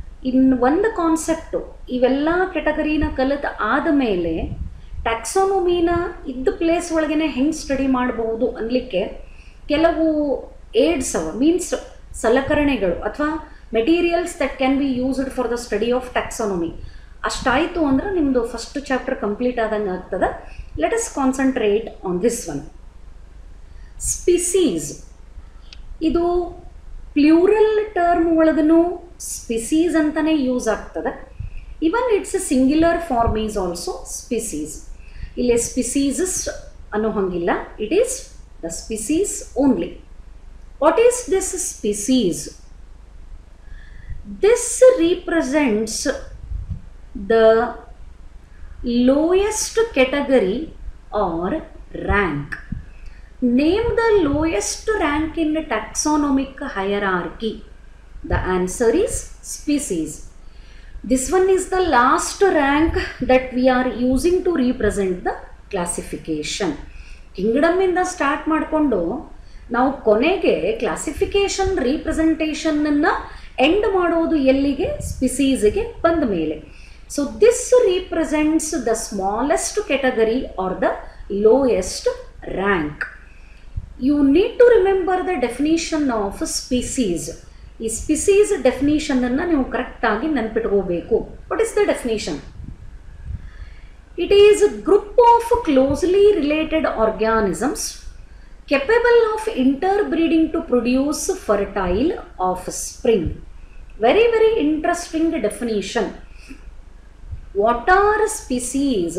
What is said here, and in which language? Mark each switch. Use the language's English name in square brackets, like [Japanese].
[English] In one the concept [Kannada] ivella category na kalata aadmele taxonomy na idd place olagene heng study maadabodu anlikke ಕೆಲವು AIDS ಅವ means ಸಲಕರಣೆಗಳು ಅಥವಾ materials [English] That can be used for the study of taxonomy. [Kannada] ಅಷ್ಟಾಯಿತು ಅಂದ್ರೆ ನಿಮ್ಮದು first chapter complete ಆದಂಗೆ ಆಗ್ತದೆ. [English] Let us concentrate on this one. Species, [Kannada] ಇದು plural term ಒಳಗೂ ಸ್ಪಿಸೀಸ್ ಅಂತಲೇ ಯೂಸ್ ಆಗ್ತದೆ. [English] Even it's a singular form is also species. [Kannada] ಇಲ್ಲಿ ಸ್ಪಿಸೀಸಸ್ ಅನ್ನೋ ಹಂಗಿಲ್ಲ, [English] It is the species only. What is this species? This represents the lowest category or rank. Name the lowest rank in the taxonomic hierarchy. The answer is species. This one is the last rank that we are using to represent the classification. [Kannada] Kingdom ಇಂದ start ಮಾಡಿಕೊಂಡು ನಾವು ಕೊನೆಗೆ classification ರೀಪ್ರೆಸೆಂಟೇಷನ್ನ end ಮಾಡೋದು ಎಲ್ಲಿಗೆ, ಸ್ಪಿಸೀಸ್ಗೆ ಬಂದ ಮೇಲೆ. [English] So this represents the smallest category or the lowest rank. You need to remember the definition of species. [Kannada] ಈ species ಡೆಫಿನೇಷನ್ನನ್ನು ನೀವು ಕರೆಕ್ಟಾಗಿ ನೆನಪಿಟ್ಕೋಬೇಕು. [English] What is the definition? It is a group of closely related organisms capable of interbreeding to produce fertile offspring. Very, very interesting definition. What are species?